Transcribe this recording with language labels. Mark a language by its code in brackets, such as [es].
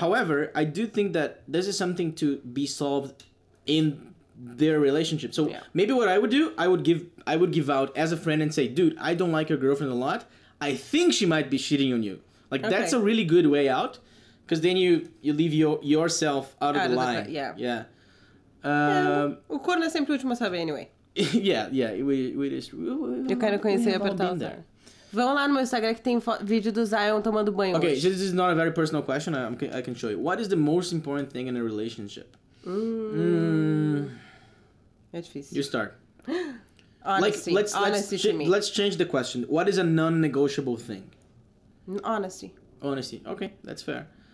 [en] However, I do think that this is something to be solved in their relationship. So maybe what I would do, I would give out as a friend and say, dude, I don't like your girlfriend a lot. I think she might be cheating on you. Like, that's a really good way out, because then you leave yourself out of the line. [pt] O corno é sempre o último a saber, [en] anyway. [pt] Eu quero conhecer a portada. Vão lá no meu Instagram que tem vídeo do Zion tomando banho. [en] Okay, [pt] hoje. [en] This is not a very personal question. I can show you. What is the most important thing in a relationship? [pt] É difícil. [en] You start. Honesty. Like, let's let's change the question. What is a non-negotiable thing? Honesty. Honesty. Okay, that's fair.